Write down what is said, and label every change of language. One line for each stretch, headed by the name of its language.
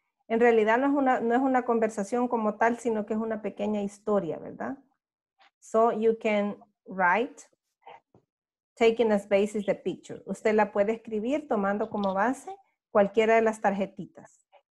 Spanish: En realidad no es una conversación como tal, sino que es una pequeña historia, ¿verdad?
English: So you can write, taking as basis the picture.
Spanish: Usted la puede escribir tomando como base cualquiera de las tarjetitas.